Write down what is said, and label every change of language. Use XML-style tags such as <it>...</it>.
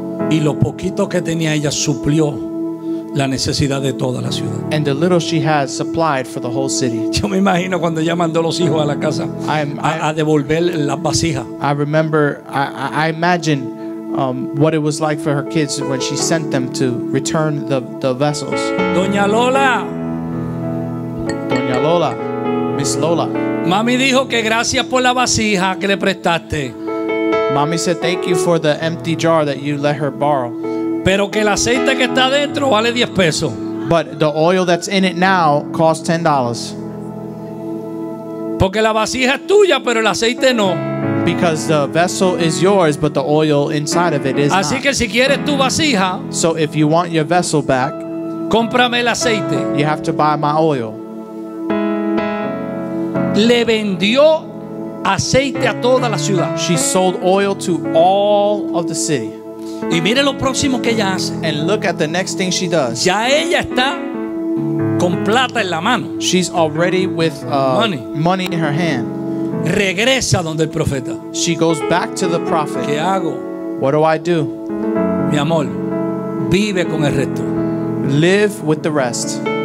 <es>Y lo poquito que tenía ella suplió la necesidad de toda la ciudad.</es> <en>And the little she had supplied for the whole city.</en> <es>Yo me imagino cuando ella mandó los hijos a la casa a devolver las vasijas.</es> <en>I remember, I imagine what it was like for her kids when she sent them to return the vessels.</en> <es>Doña Lola.</es> <en>Doña Lola. Miss Lola.</en> <es>Mami dijo que gracias por la vasija que le prestaste.</es> <en>Mami said thank you for the empty jar that you let her borrow.</en> <es>Pero que el aceite que está dentro vale 10 pesos.</es> <en>But the oil that's in it now costs $10.</en> <es>Porque la vasija es tuya, pero el aceite no.</es> <en>Because the vessel is yours, but the oil inside of it is not.</en> <es>Así que si quieres tu vasija,</es> <en>so if you want your vessel back,</en> <es>cómprame el aceite.</es> <en>You have to buy my oil.</en> <es>Le vendió aceite a toda la ciudad.</es> <en>She sold oil to all of the city.</en> <es>Y mire lo próximo que ella hace.</es> <en>And look at the next thing she does.</en> <es>Ya ella está con plata en la mano.</es> <en>She's already with money in her hand.</en> <es>Regresa donde el profeta.</es> <en>She goes back to the prophet.</en> <es>¿Qué hago?</es> <en>What do I do?</en> <es>Mi amor, vive con el resto.</es> <en>Live with the rest.</en>